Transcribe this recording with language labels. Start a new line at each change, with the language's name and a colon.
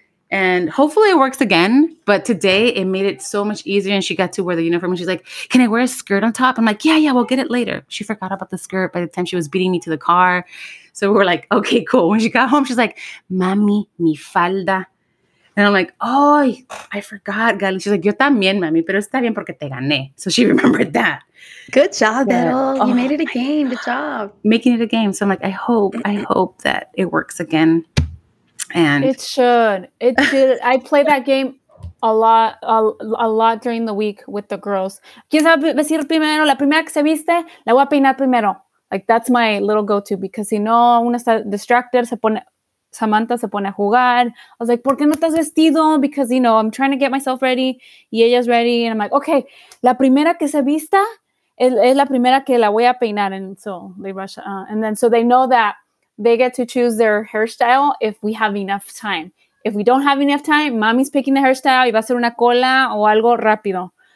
English: And hopefully it works again. But today it made it so much easier. And she got to wear the uniform. And she's like, can I wear a skirt on top? I'm like, yeah, yeah, we'll get it later. She forgot about the skirt by the time she was beating me to the car. So we were like, okay, cool. When she got home, she's like,
Spanish: mami, mi falda.
English: And I'm like, oh, I forgot, Gali. She's like,
Spanish: yo también, mami, pero está bien porque te gané.
English: So she remembered that. Good job, Bell. Yeah. Oh, you made it a game. Good job. Making it a game. So I'm like, I hope that it works again. And it should. It should. I play that game a lot during the week with the girls.
Spanish: ¿Quién sabe vestir primero? La primera que se viste, la voy a peinar primero.
English: Like, that's my little go-to because, you know,
Spanish: uno está distracted, se pone... Samantha se pone a jugar.
English: I was like,
Spanish: ¿por qué no estás vestido?
English: Because, you know, I'm trying to get myself ready y ella's ready. And I'm like, okay,
Spanish: la primera que se vista es la primera que la voy a peinar.
English: And so they rush. And then so they know that they get to choose their hairstyle if we have enough time. If we don't have enough time, mommy's picking the hairstyle
Spanish: y va a ser una cola o algo rápido.